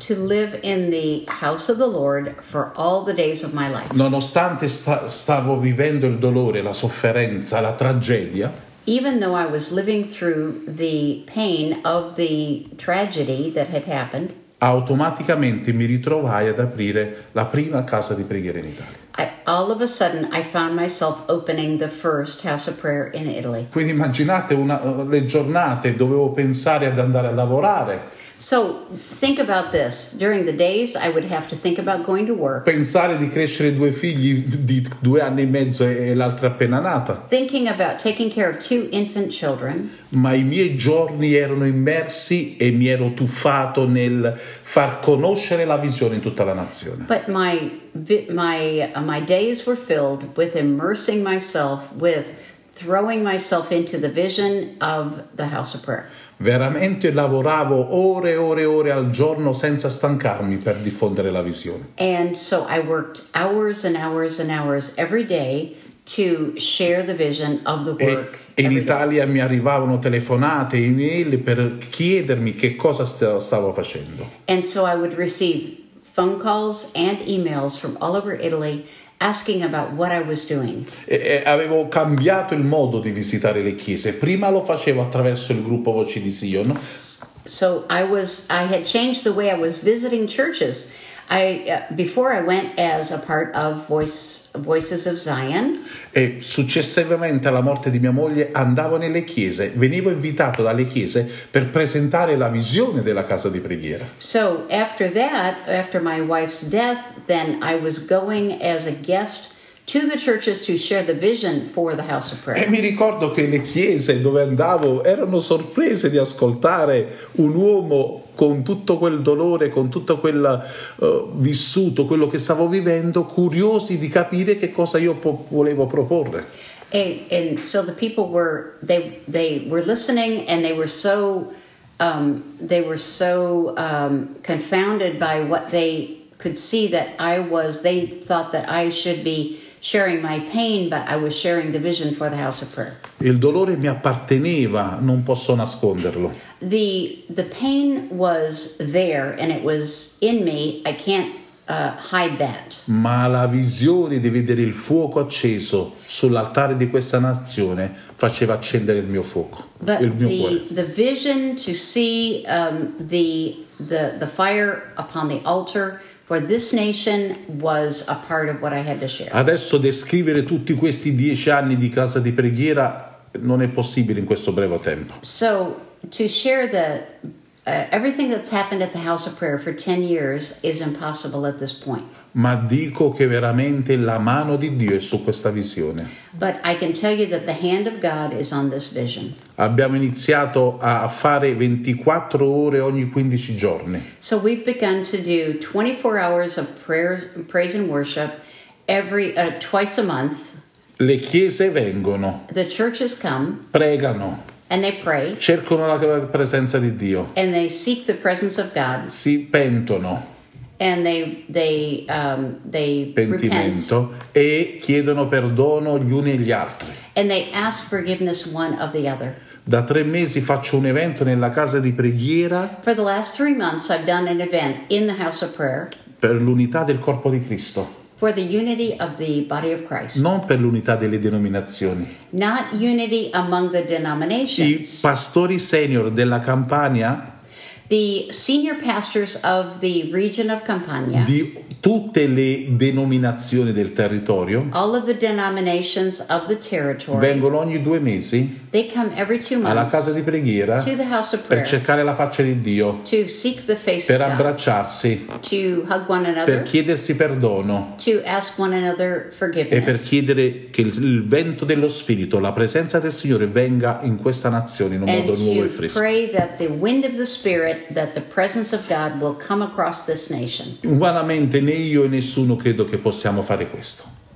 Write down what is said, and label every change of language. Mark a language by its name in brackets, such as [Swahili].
[English] To live in the house of the Lord for all the days of my life. [Italian] Nonostante stavo vivendo il dolore, la sofferenza, la tragedia. [English] Even though I was living through the pain of the tragedy that had happened. [Italian] Automaticamente mi ritrovai ad aprire la prima casa di preghiera in Italia. [English] All of a sudden I found myself opening the first house of prayer in Italy. [Italian] Quindi immaginate le giornate, dovevo pensare ad andare a lavorare. [English] So think about this, during the days I would have to think about going to work. [Italian] Pensare di crescere due figli di 2 anni e mezzo e l'altra appena nata. [English] Thinking about taking care of 2 infant children. [Italian] Ma i miei giorni erano immersi e mi ero tuffato nel far conoscere la visione in tutta la nazione. [English] But my days were filled with immersing myself, with throwing myself into the vision of the house of prayer. [Italian] Veramente lavoravo ore e ore e ore al giorno senza stancarmi per diffondere la visione. [English] And so I worked hours and hours and hours every day to share the vision of the work. [Italian] In Italia mi arrivavano telefonate, email per chiedermi che cosa stavo facendo. [English] And so I would receive phone calls and emails from all over Italy asking about what I was doing. [Italian] E avevo cambiato il modo di visitare le chiese. Prima lo facevo attraverso il gruppo Voci di Sion. [English] So I had changed the way I was visiting churches. Before I went as a part of Voices of Zion. [Italian] E successivamente alla morte di mia moglie andavo nelle chiese, venivo invitato dalle chiese per presentare la visione della casa di preghiera. [English] So after that, after my wife's death, then I was going as a guest to the churches to share the vision for the house of prayer. [Italian] E mi ricordo che le chiese dove andavo erano sorprese di ascoltare un uomo con tutto quel dolore, con tutto quel vissuto, quello che stavo vivendo, curiosi di capire che cosa io volevo proporre. [English] And so the people were they were listening and they were so confounded by what they could see that I was. They thought that I should be sharing my pain, but I was sharing the vision for the house of prayer. [Italian] Il dolore mi apparteneva, non posso nasconderlo. [English] The pain was there and it was in me. I can't hide that. [Italian] Ma la visione di vedere il fuoco acceso sull'altare di questa nazione faceva accendere il mio fuoco, [English] but [Italian] il mio cuore. [English] The vision to see the fire upon the altar for this nation was a part of what I had to share. [Italian] Adesso descrivere tutti questi 10 anni di casa di preghiera non è possibile in questo breve tempo. [English] So to share everything that's happened at the house of prayer for 10 years is impossible at this point. [Italian] ma dico che veramente la mano di Dio è su questa visione. [English] But I can tell you that the hand of God is on this vision. [Italian] Abbiamo iniziato a fare 24 ore ogni 15 giorni. [English] So we've begun to do 24 hours of prayers, praise and worship every twice a month. [Italian] Le chiese vengono. [English] The churches come. [Italian] Pregano. [English] And they pray. [Italian] Cercano la presenza di Dio. [English] And they seek the presence of God. [Italian] Si pentono. [English] And they [Italian] pentimento [English] repent. [Italian] E chiedono perdono gli uni e gli altri. [English] And they ask forgiveness one of the other. [Italian] Da tre mesi faccio un evento nella casa di preghiera. [English] For the last three months I've done an event in the house of prayer. [Italian] Per l'unità del corpo di Cristo. [English] For the unity of the body of Christ. [Italian] Non per l'unità delle denominazioni. [English] Not unity among the denominations. [Italian] I pastori senior della Campania. [English] The senior pastors of the region of Campania. [Italian] Di tutte le denominazioni del territorio. [English] All of the denominations of the territory. [Italian] Vengono ogni due mesi. [English] They come every two months. [Italian] Alla casa di preghiera. [English] To the house of prayer. [Italian] Per cercare la faccia di Dio. [English] To seek the face of God. [Italian] Per abbracciarsi. [English] To hug one another. [Italian] Per chiedersi perdono. [English] To ask one another forgiveness. [Italian] E per chiedere che il vento dello Spirito, la presenza del Signore, venga in questa nazione in un modo nuovo e fresco. [English] And to pray that the wind of the Spirit, that the presence of God will come across this nation. [Italian] Umanamente né io e nessuno credo che possiamo fare questo.